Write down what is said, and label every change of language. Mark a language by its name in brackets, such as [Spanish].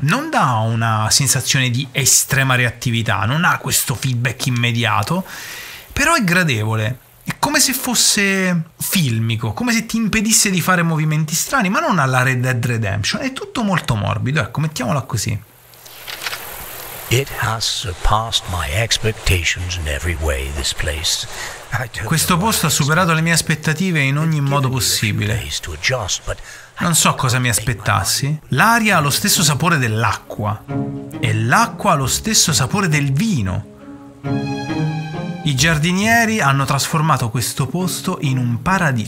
[Italian] Non dà una sensazione di estrema reattività, non ha questo feedback immediato, però è gradevole. È come se fosse filmico, come se ti impedisse di fare movimenti strani, ma non alla Red Dead Redemption. È tutto molto morbido, ecco, mettiamola così. [English] It has surpassed my expectations in every way, this place. [Italian] Questo posto ha superato le mie aspettative in ogni modo possibile. Non so cosa mi aspettassi. L'aria ha lo stesso sapore dell'acqua. E l'acqua ha lo stesso sapore del vino. I giardinieri hanno trasformato questo posto in un paradiso.